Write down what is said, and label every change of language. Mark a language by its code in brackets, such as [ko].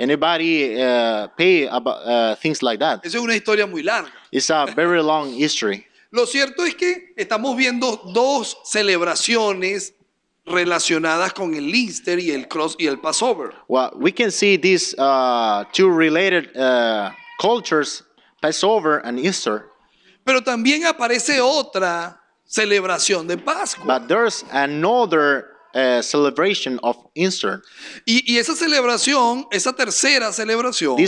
[en] Anybody pay about things like that. [es] Esa es una historia muy larga. [en] It's a very long history. [es] Lo cierto es que estamos viendo dos celebraciones relacionadas con el Easter y el cross y el Passover. [en] Well, we can see these two related cultures, Passover and Easter. [es] Pero también aparece otra celebración de Pascua. [en] But there's another celebration of Easter. [es] Y esa celebración, esa tercera celebración,